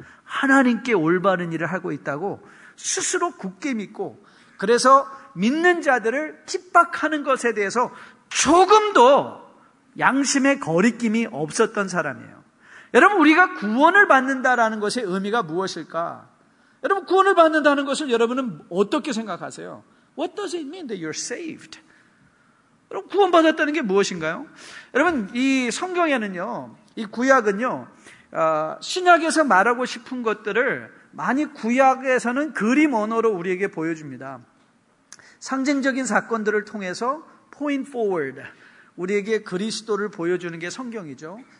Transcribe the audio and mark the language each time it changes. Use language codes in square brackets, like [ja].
[ko] 하나님께 올바른 일을 하고 있다고 스스로 굳게 믿고, 그래서 믿는 자들을 핍박하는 것에 대해서 조금도 양심의 거리낌이 없었던 사람이에요. 여러분, 우리가 구원을 받는다라는 것의 의미가 무엇일까? 여러분, 구원을 받는다는 것을 여러분은 어떻게 생각하세요? [en] What does it mean that you're saved? [ko] 여러분, 구원받았다는 게 무엇인가요? 여러분, 이 성경에는요, 이 구약은요, 신약에서 말하고 싶은 것들을 많이 구약에서는 그림 언어로 우리에게 보여줍니다. 상징적인 사건들을 통해서 [en] point forward, [ko] 우리에게 그리스도를 보여주는 게 성경이죠.